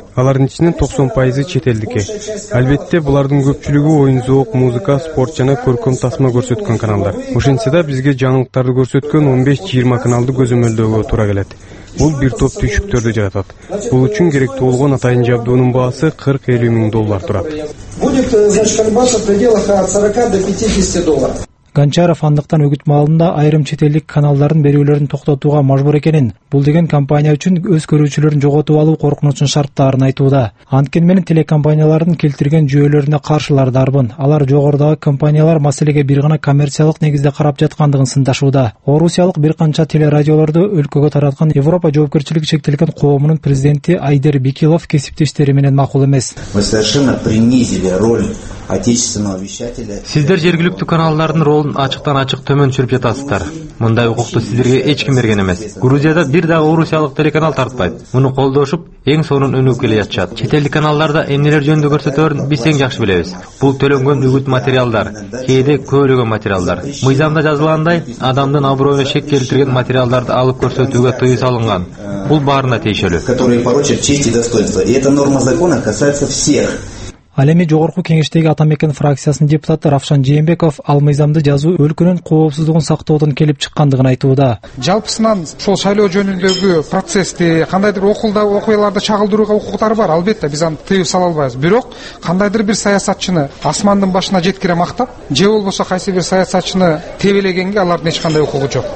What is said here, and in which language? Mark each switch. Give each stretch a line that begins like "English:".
Kyrgyz: Алардын ичинен 90% чет элдики. Албетте, булардын көпчүлүгү оюн зоок, музыка, спорт жана көркөм тасма көрсөткөн каналдар. Ошентсе да бизге жаңылыктарды көрсөткөн 15-20 каналды көзөмөлдөөгө туура келет. Бул бир топ түйшүктөрдү жаратат. Бул үчүн керектүү болгон атайын жабдуунун баасы $40,000-$50,000 турат.
Russian: Будет, значит, колбаса в пределах от 40 до 50 долларов.
Kyrgyz: Гончаров андыктан үгүт маалында айрым чет элдик каналдардын берүүлөрүн токтотууга мажбур экенин, бул деген компания үчүн өз көрүүчүлөрүн жоготуп алуу коркунучун шарттарын айтууда. Анткени менин телекомпанияларын келтирген жүйөлөрүнө каршылар дарбын. Алар жогорудагы компаниялар маселеге бир гана коммерциялык негизде карап жаткандыгын сындашууда. Орусиялык бир канча телерадиолорду өлкөгө тараткан Европа жоопкерчилиги чектелген коомунун президенти Айдер Бикилов кесиптештери менен макул эмес.
Russian: Мы совершенно принизили роль отечественного вещателя.
Kyrgyz: Сиздер жергиликтүү каналдардын ролун ачыктан ачык төмөн түшүрүп жатасыздар. Мындай укукту сиздерге эч ким берген эмес. Грузияда бир дагы орусиялык телеканал тартпайт. Муну колдошуп, эң сонун өнүгүп келе жатышат. Чет элдик каналдарда эмнелер жөнүндө көрсөтөрүн биз эң жакшы билебиз. Бул төлөнгөн үгүт материалдар, кээде көөлөгөн материалдар. Мыйзамда жазылгандай, адамдын аброюна шек келтирген материалдарды алып көрсөтүүгө тыюу салынган. Бул баарына тиешелүү.
Russian: Которые порочат честь и достоинство. И эта норма закона касается всех.
Kyrgyz: Ал эми Жогорку кеңештеги Атамекен фракциясынын депутаты Равшан Жээнбеков ал мыйзамды жазуу өлкөнүн коопсуздугун сактоодон келип чыккандыгын айтууда. Жалпысынан ошол шайлоо жөнүндөгү процессти, кандайдыр окуяларды чагылдырууга укуктары бар, албетте биз аны тыюу сала албайбыз. Бирок кандайдыр бир саясатчыны асмандын башына жеткире мактап, же болбосо кайсы бир саясатчыны тебелегенге алардын эч кандай укугу жок.